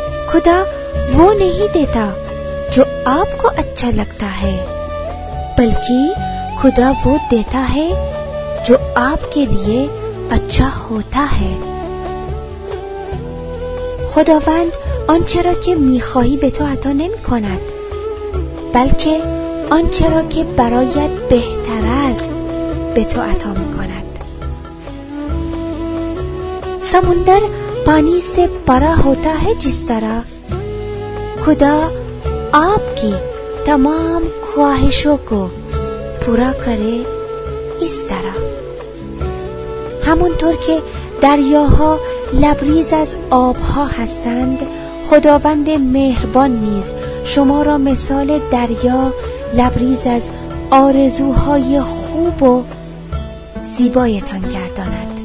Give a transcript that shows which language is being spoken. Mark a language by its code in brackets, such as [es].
[ur] خدا وہ نہیں دیتا جو آپ کو اچھا لگتا ہے، بلکہ خدا وہ دیتا ہے جو آپ کے لیے اچھا ہوتا ہے. [fa] خداوند آنچه را که میخواهی به تو عطا نمی کند، بلکه آنچه را که برایت بهتر است به تو عطا می کند. [ur] سمندر پانی سے بڑا ہوتا ہے جس طرح، خدا آپ کی تمام خواہشوں کو پورا کرے اس طرح. [fa] همونطور که دریاها لبریز از آبها هستند، خداوند مهربان نیز شما را مثال دریا لبریز از آرزوهای خوب و زیبایتان گرداند.